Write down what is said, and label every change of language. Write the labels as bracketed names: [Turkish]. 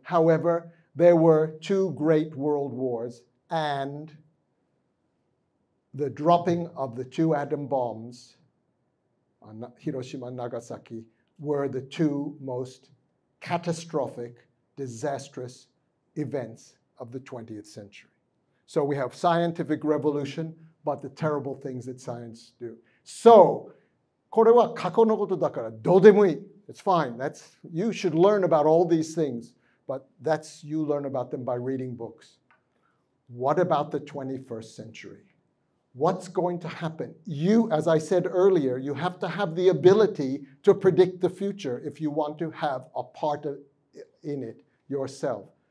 [English] However, there were two great world wars and the dropping of the two atom bombs. Hiroshima and Nagasaki were the two most catastrophic, disastrous events of the 20th century. So we have scientific revolution, but the terrible things that science do. [Japanese] So, これは過去のことだからどうでもいい。 [English] It's fine. That's, you should learn about all these things, but that's, you learn about them by reading books. What about the 21st century? What's going to happen? You, as I said earlier, you have to have the ability to predict the future if you want to have a part of, in it yourself.